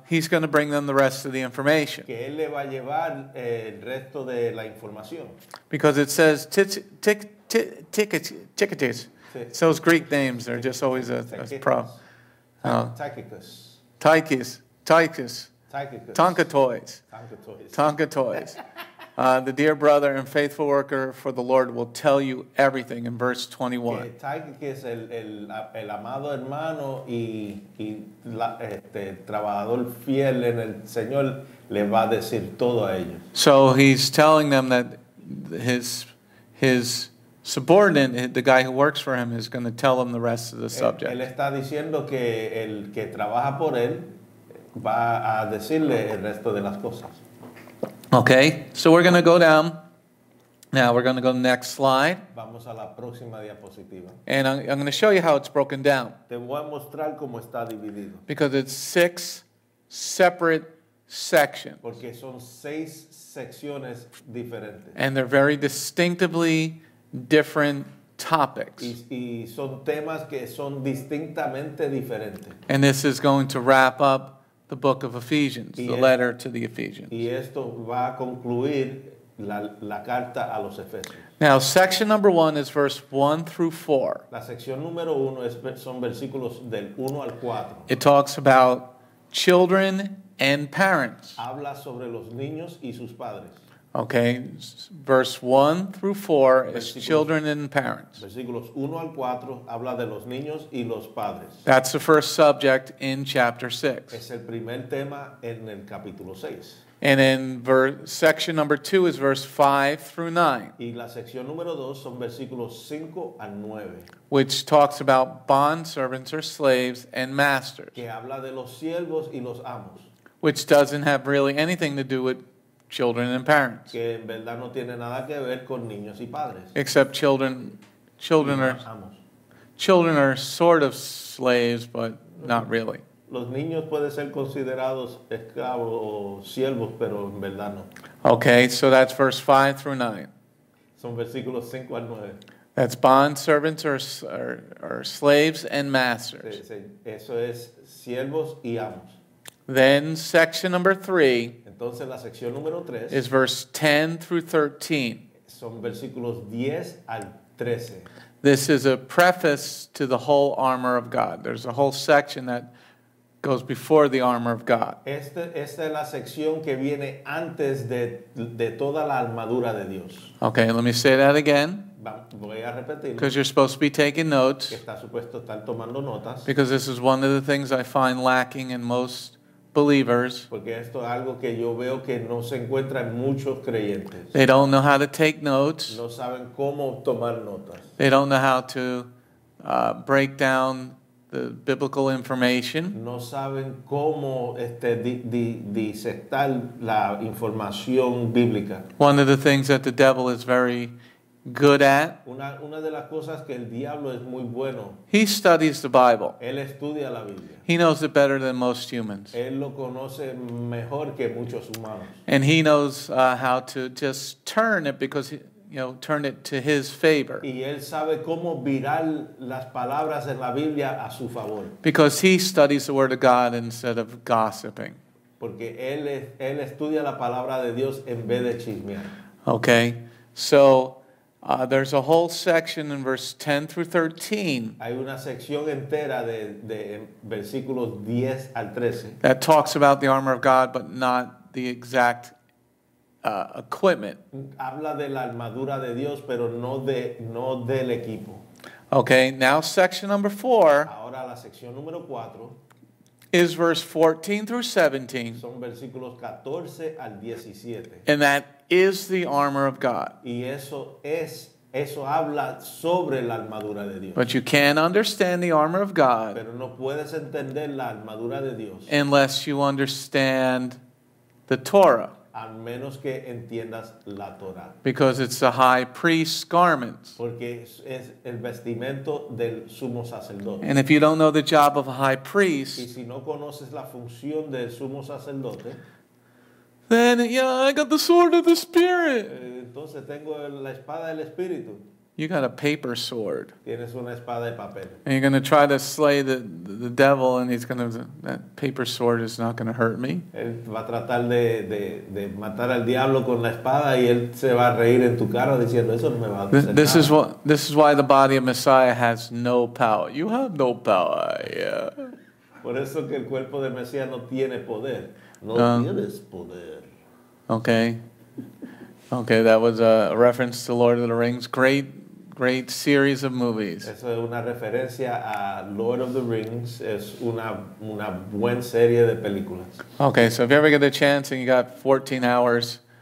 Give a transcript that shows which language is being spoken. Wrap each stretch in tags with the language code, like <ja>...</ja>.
<en>He's going to bring them the rest of the information.</en> <es>Que él le va a llevar el resto de la información.</es> <en>Because it says Tychicus. So those Greek names are just always a problem. Tychicus. Tychicus. Tonka toys. Tonka toys. Tonka toys. The dear brother and faithful worker for the Lord will tell you everything in verse 21.</en> <es>Tychicus, el amado hermano y la, este, trabajador fiel en el Señor, le va a decir todo a ellos.</es> <en>So he's telling them that his subordinate, the guy who works for him, is going to tell him the rest of the subject.</en> <es>Él está diciendo que el que trabaja por él va a decirle el resto de las cosas.</es> <en>Okay, so we're going to go down. Now we're going to go to the next slide.</en> <es>Vamos a la próxima diapositiva.</es> <en>And I'm going to show you how it's broken down.</en> <es>Te voy a mostrar cómo está dividido.</es> <en>Because it's six separate sections.</en> <es>Porque son seis secciones diferentes.</es> <en>And they're very distinctively different topics.</en> <es>Y son temas que son distintamente diferentes.</es> <en>And this is going to wrap up the book of Ephesians, the letter to the Ephesians.</en> <es>Y esto va a concluir la carta a los Efesios.</es> <en>Now, section number one is verse 1-4.</en> <es>La sección número uno son versículos del 1 al 4.</es> <en>It talks about children and parents.</en> <es>Habla sobre los niños y sus padres.</es> <en>Okay, verse 1-4 is children and parents.</en> <es>Versículos 1 al 4 habla de los niños y los padres.</es> <en>That's the first subject in chapter 6.</en> <es>Es el primer tema en el capítulo 6.</es> <en>And then section number 2 is verse 5-9.</en> <es>Y la sección número 2 son versículos 5 al 9.</es> <en>Which talks about bond servants or slaves and masters.</en> <es>Que habla de los siervos y los amos.</es> <en>Which doesn't have really anything to do with children and parents.</en> <es>Que en verdad no tiene nada que ver con niños y padres.</es> <en>Except children are sort of slaves, but not really.</en> <es>Los niños pueden ser considerados esclavos o siervos, pero en verdad no.</es> <en>Okay, so that's verse 5-9.</en> <es>Son versículos 5 al 9.</es> <en>That's bond servants or slaves and masters.</en> <es>Sí, sí. Eso es siervos y amos.</es> <en>Then section number 3.</en> <es>Entonces, la sección número 3</es> <en>is verse 10-13.</en> <es>Son versículos 10 al 13.</es> <en>This is a preface to the whole armor of God. There's a whole section that goes before the armor of God.</en> <es>Esta es la sección que viene antes de toda la armadura de Dios.</es> <en>Okay, let me say that again.</en> <es>Voy a repetirlo.</es> <en>Because you're supposed to be taking notes.</en> <es>Está supuesto estar tomando notas.</es> <en>Because this is one of the things I find lacking in most believers.</en> <es>Porque esto es algo que yo veo que no se encuentra en muchos creyentes.</es> <en>They don't know how to take notes.</en> <es>No saben cómo tomar notas.</es> <en>They don't know how to break down the biblical information.</en> <es>No saben cómo disectar la información bíblica.</es> <en>One of the things that the devil is very good at.</en> <es>Una de las cosas que el diablo es muy bueno.</es> <en>He studies the Bible.</en> <es>Él estudia la Biblia.</es> <en>He knows it better than most humans.</en> <es>Él lo conoce mejor que muchos humanos.</es> <en>And he knows how to just turn it because turn it to his favor.</en> <es>Y él sabe cómo virar las palabras en la Biblia a su favor.</es> <en>Because he studies the Word of God instead of gossiping.</en> <es>Porque él estudia la palabra de Dios en vez de chismear.</es> <en>Okay, so there's a whole section in verse 10-13.</en> <es>Hay una sección entera de versículos 10 al 13.</es> <en>That talks about the armor of God, but not the exact equipment.</en> <es>Habla de la armadura de Dios, pero no del equipo.</es> <en>Okay, now section number 4.</en> <es>Ahora la sección número 4.</es> <en>Is verse 14-17.</en> <es>Son versículos 14 al 17.</es> <en>And that is the armor of God.</en> <es>Y eso habla sobre la armadura de Dios.</es> <en>But you can't understand the armor of God.</en> <es>Pero no puedes entender la armadura de Dios.</es> <en>Unless you understand the Torah.</en> <es>A menos que entiendas la Torah.</es> <en>Because it's the high priest's garments.</en> <es>Porque es el vestimento del sumo sacerdote.</es> <en>And if you don't know the job of a high priest.</en> <es>Y si no conoces la función del sumo sacerdote.</es> <en>Then, I got the sword of the Spirit.</en> <es>Entonces tengo la espada del Espíritu.</es> <en>You got a paper sword.</en> <es>Tienes una espada de papel.</es> <en>And you're going to try to slay the devil, and he's going to, that paper sword is not going to hurt me.</en> <es>Él va a tratar de matar al diablo con la espada, y él se va a reír en tu cara diciendo, eso no me va a hacer</es> <en>This is why the body of Messiah has no power. You have no power.</en> <es>Por eso que el cuerpo del Mesías no tiene poder. No tienes poder.</es> <en>Okay. Okay, that was a reference to Lord of the Rings. Great, great series of movies.</en> <es>Eso es una referencia a Lord of the Rings. Es una buena serie de películas.</es> <en>Okay, so if you ever get the chance and you got 14 hours.</en>